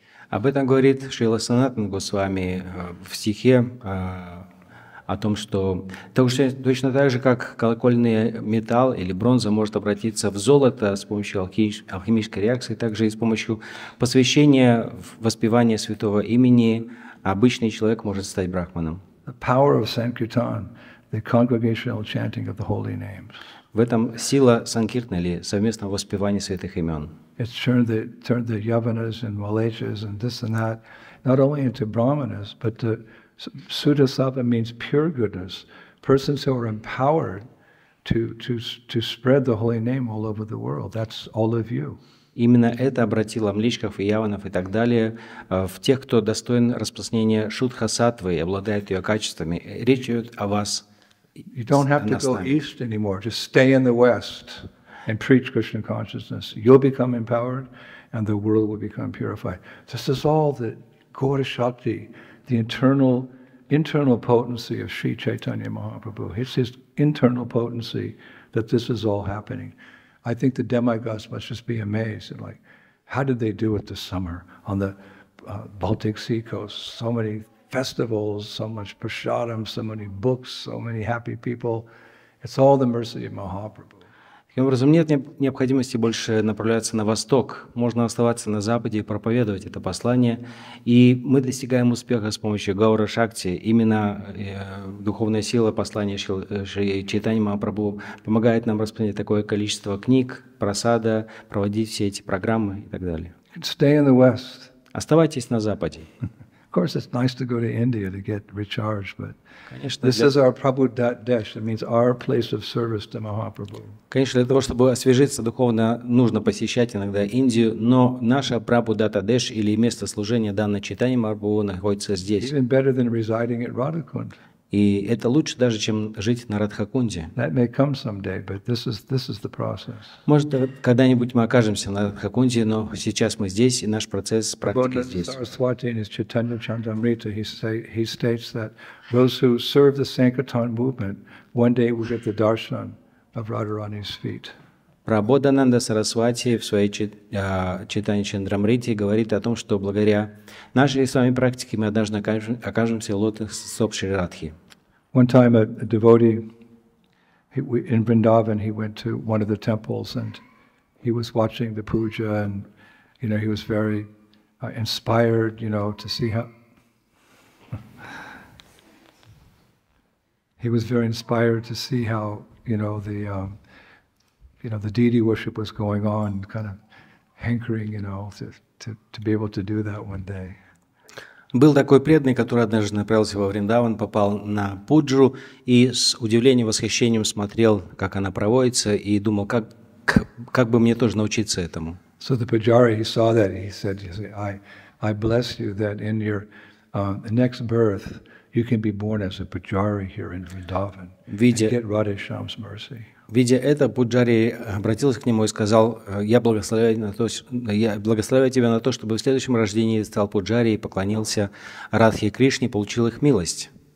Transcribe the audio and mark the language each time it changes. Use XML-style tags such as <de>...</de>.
<ru>Об этом говорит Шрила Санатан Госвами в стихе о том, что точно так же, как колокольный металл или бронза может обратиться в золото с помощью алхимической реакции, также и с помощью посвящения воспевания святого имени, обычный человек может стать брахманом.</ru> <en>The power of sankirtan, the congregational chanting of the holy names.</en> <ru>В этом сила санкиртны или совместного воспевания святых имен.</ru> <en>It's turned the yavanas and malaysias and this and that not only into brahmanas, but the sudasava means pure goodness. Persons who are empowered to spread the holy name all over the world. That's all of you.</en> <ru>Именно это обратило млечков и яванов и так далее в тех, кто достоин распространения шудха сатвы и обладает ее качествами. Речь идет о вас.</ru> <en>You don't have to go east anymore. Just stay in the west and preach Krishna consciousness. You'll become empowered, and the world will become purified. This is all the Gaura Shakti, the internal potency of Sri Chaitanya Mahaprabhu. It's his internal potency that this is all happening. I think the demigods must just be amazed at, like, how did they do it this summer on the Baltic Sea coast? So many festivals, so much prasadam, so many books, so many happy people. It's all the mercy of Mahaprabhu.</en> <ru>Таким образом, нет необходимости больше направляться на восток. Можно оставаться на западе и проповедовать это послание. И мы достигаем успеха с помощью Гаура Шакти. Именно духовная сила послания Чайтанья Махапрабху помогает нам распространять такое количество книг, просада, проводить все эти программы и так далее.</ru> <en>Stay in the West.</en> <ru>Оставайтесь на западе.</ru> <en>Of course, it's nice to go to India to get recharged, but this is our Prabhu Dat Desh. It means our place of service to Mahaprabhu.</en> <ru>Конечно, для того, чтобы освежиться духовно, нужно посещать иногда Индию, но наше Прабху Дат Деш или место служения данного читания Махапрабху находится здесь.</ru> <en>Even better than residing at Radhakund.</en> <ru>И это лучше даже, чем жить на Радхакунде.</ru> <en>That may come someday, but this is the process.</en> <ru>Может, когда-нибудь мы окажемся на Радхакунде, но сейчас мы здесь, и наш процесс практики здесь.</ru> <en>Bodhisattva Saraswati in his Chaitanya Chandramrita, he states that those who serve the Sankirtan movement one day will get the darshan of Radharani's feet.</en> <ru>Прабодхананда Сарасвати в своей читании Чандрамрити говорит о том, что благодаря нашей с вами практике мы однажды окажемся лотосом Шри Радхи.</ru> <en>One time a devotee in Vrindavan, he went to one of the temples and he was watching the puja, and you know, he was very inspired, you know, to see how he was very inspired to see how, you know, the you know, the deity worship was going on, kind of hankering, you know, to be able to do that one day.</en> <ru>Был такой преданный, который однажды направился во Вриндаван, попал на пуджу и с удивлением, восхищением смотрел, как она проводится, и думал, как бы мне тоже научиться этому.</ru> <en>So the pujari, he saw that, he said, I bless you that in your next birth you can be born as a pujari here in Vrindavan and get Radhesham's mercy.</en> <ru>Видя это, пуджари обратился к нему и сказал, я благословляю тебя на то, чтобы в следующем рождении стал пуджари и поклонился Радхе Кришне, получил их милость.</ru>